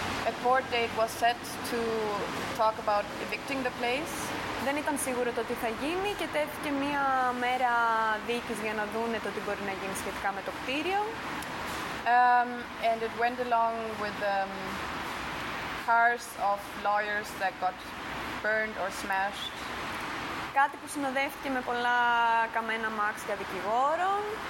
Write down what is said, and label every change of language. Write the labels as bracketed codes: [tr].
[en] A court date was set to talk about evicting the place. [el] Δεν ήταν σίγουρο το τι θα γίνει και τέθηκε μία μέρα δίκης για να δούνε το τι μπορεί να γίνει σχετικά με το κτίριο. [en] And it went along with cars of lawyers that got burned or smashed. [el] Κάτι που συνοδεύτηκε με πολλά καμένα μάξια δικηγόρων.